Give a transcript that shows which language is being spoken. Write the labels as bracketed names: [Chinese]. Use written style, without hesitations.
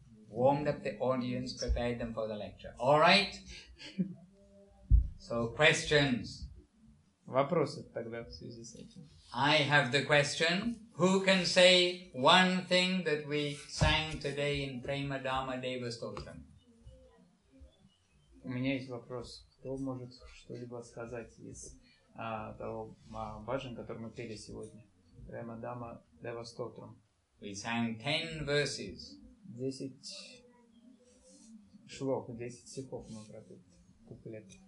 [English] Warmed up the audience, prepared them for the lecture. All right. So, questions. [Russian] Вопросы тогда в связи с этим. [English] I have the question. Who can say one thing that we sang today in Prema Dharma Deva Stotram? [Russian] У меня есть вопрос. Кто может что-либо сказать из того баджан, который мы пели сегодня? [English] Prema Dharma Deva Stotram. We sang 10 verses. [Russian] 10 шлок, 10 стихов мы пропели. Куплет.